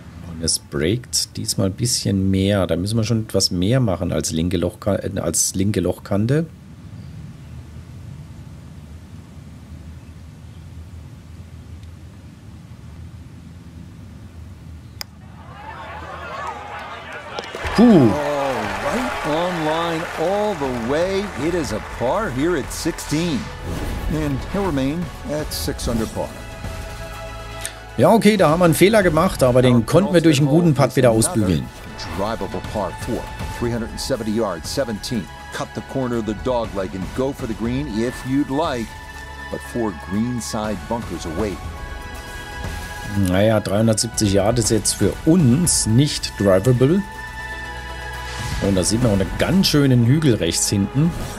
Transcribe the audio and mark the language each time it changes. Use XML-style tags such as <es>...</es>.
<de>Und es breakt diesmal ein bisschen mehr. Da müssen wir schon etwas mehr machen als linke Lochkante, Puh.</de> <en>Right on line all the way. It is a par here at 16. And he'll remain at 6 under par.</en> <de>Ja, okay, da haben wir einen Fehler gemacht, aber den konnten wir durch einen guten Putt wieder ausbügeln.</de> <en>Drivable par 4, 370 yards, 17. Cut the corner of the dogleg and go for the green if you'd like. But four greenside bunkers await.</en> <de>Naja, 370 Yards ist jetzt für uns nicht drivable. Und da sieht man auch einen ganz schönen Hügel rechts hinten.</de>